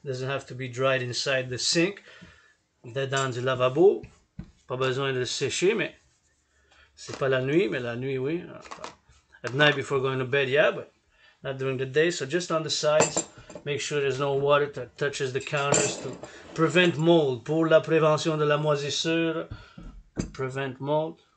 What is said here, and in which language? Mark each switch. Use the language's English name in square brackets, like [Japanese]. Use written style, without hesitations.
[English] Doesn't have to be dried inside the sink. They're down the lavabo. [French] Pas besoin de sécher, mais c'est pas la nuit, mais la nuit, oui. [English] At night before going to bed, yeah, but not during the day. So just on the sides, make sure there's no water that touches the counters to prevent mold. [French] Pour la prévention de la moisissure, [English] prevent mold.